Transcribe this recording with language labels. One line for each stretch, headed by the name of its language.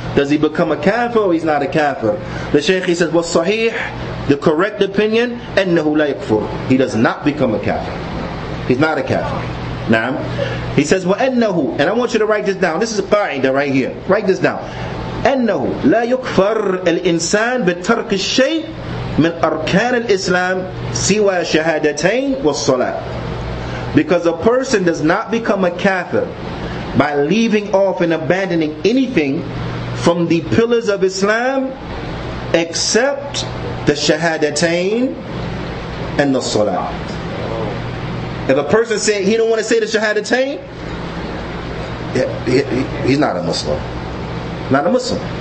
English: Does he become a kafir or he's not a kafir? The Shaykh, he says, well, sahih, the correct opinion,
Arabic: annahu la yakfur.
English: He does not become a kafir. He's not a kafir. Naam. He says, wa annahu, and I want you to write this down. This is a qa'idah right here. Write this down.
Arabic: Annahu la yakfur al-insan bi-tark al-shay' من أركان الإسلام سوى شهادتين والصلاة.
English: Because a person does not become a kafir by leaving off and abandoning anything from the pillars of Islam except the shahadatain and the salah. If a person said he don't want to say the shahadatain, he's not a Muslim. Not a Muslim.